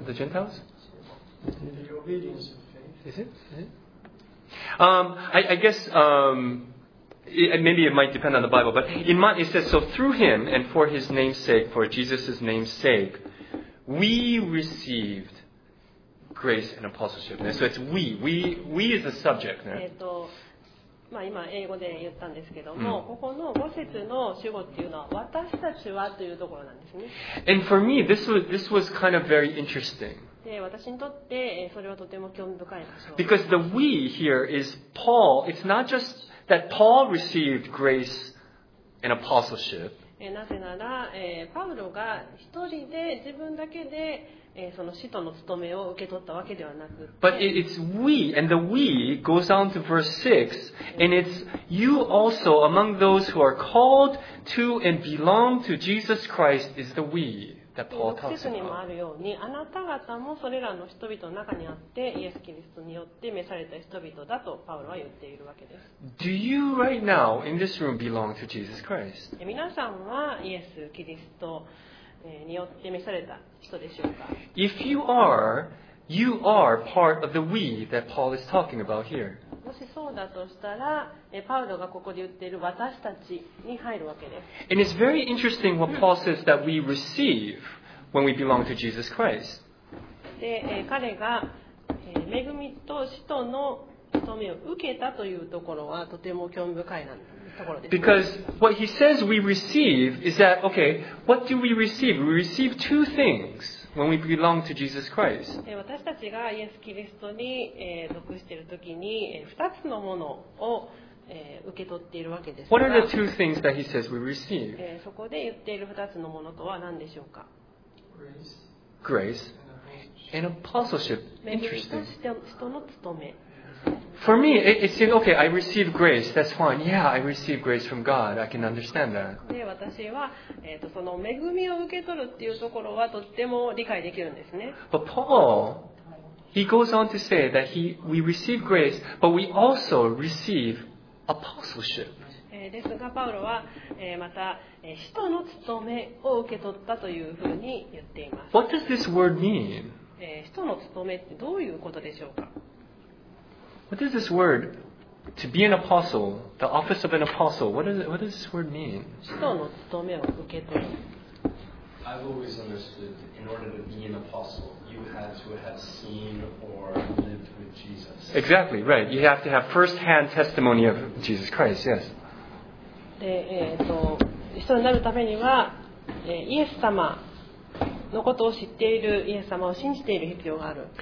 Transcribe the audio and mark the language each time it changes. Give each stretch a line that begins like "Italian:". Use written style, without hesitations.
English: The obedience of faith. Is it? Maybe it might depend on the Bible, but in Matt it says, so through him and for his name's sake, for Jesus' name's sake, we received grace and apostleship. And so it's we is the subject. Yeah.
Japanese: まあ、今英語で言ったんですけども、mm. ここの5節の主語っていうのは私たちはというところなんですね。
English: And for me, this was kind of very interesting.
Japanese: で、私にとってそれはとても興味深い箇所。
English: Because the we here is Paul. It's not just that Paul received grace and apostleship.
Japanese: なぜなら、パウロが一人で自分だけでその使徒の務めを受け取ったわけではなくて、
English: But it's we, and the we goes on to verse 6, and it's you also among those who are called to and belong to Jesus Christ is the we that Paul talks about. 6節
Japanese: にもあるように、あなた方もそれらの人々の中にあって、イエス・キリストによって召された人々だとパウロは言っているわけです。
English: Do you right now in this room belong to Jesus Christ?
Japanese: 皆さんはイエス・キリストによって召された人でしょうか?
English: If you are, you are part of the we that Paul is talking about here.
Japanese: もしそうだとしたら、パウロがここで言っている私たちに入るわけです。
English: And it's very interesting what Paul says that we receive when we belong to Jesus Christ.
Japanese: で、彼が恵みと使徒の務めを受けたというところはとても興味深いなんです。
English: Because what he says we receive is that, okay, what do we receive? We receive two things when we belong to Jesus Christ.
Japanese: 私たちがイエス・キリストに属している時に2つのものを受け取っているわけですが、
English: What are the two things that he says we receive?
Japanese: そこで言っている2つのものとは何でしょうか?
English: Grace and apostleship. Interesting.
Japanese: 恵みと使徒の務め。
English: For me, it seems, okay, I receive grace, that's fine. Yeah, I receive grace from God, I can understand that.
Japanese: で、私は、その恵みを受け取るっていうところはとっても理解できるんですね。
English: But Paul, he goes on to say that we receive grace, but we also receive apostleship.
Japanese: ですが、パウロは、また、使徒の務めを受け取ったというふうに言っています。
English: What does this word mean?
Japanese: 使徒の務めってどういうことでしょうか?
English: What does this word, to be an apostle, the office of an apostle, what does this word mean? I've always understood, in order to be an apostle, you had to have seen or lived with Jesus. Exactly, right. You have to have first-hand testimony of Jesus Christ, yes.
Japanese: で、人になるためには、イエス様のことを知っている、イエス様を信じている必要がある。